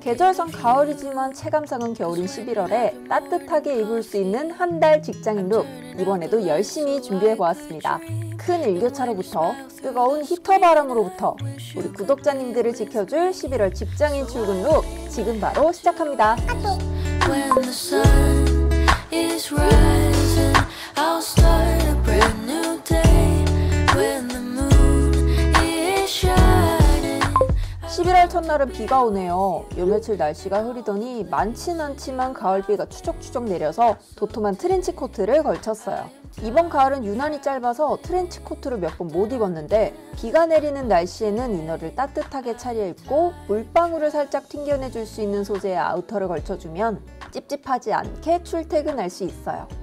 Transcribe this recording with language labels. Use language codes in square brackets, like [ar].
[ko] 계절상 가을이지만 체감상은 겨울인 11월에 따뜻하게 입을 수 있는 한 달 직장인 룩, 이번에도 열심히 준비해 보았습니다. 큰 일교차로부터 뜨거운 히터 바람으로부터 우리 구독자님들을 지켜줄 11월 직장인 출근 룩, 지금 바로 시작합니다. [en] When the sun is rising, I'll start a brand new day. When the moon is shining. [ko] 11월 첫날은 비가 오네요. 요 며칠 날씨가 흐리더니 많진 않지만 가을비가 추적추적 내려서 도톰한 트렌치코트를 걸쳤어요. 이번 가을은 유난히 짧아서 트렌치코트를 몇 번 못 입었는데 비가 내리는 날씨에는 이너를 따뜻하게 차려입고 물방울을 살짝 튕겨내줄 수 있는 소재의 아우터를 걸쳐주면 찝찝하지 않게 출퇴근할 수 있어요.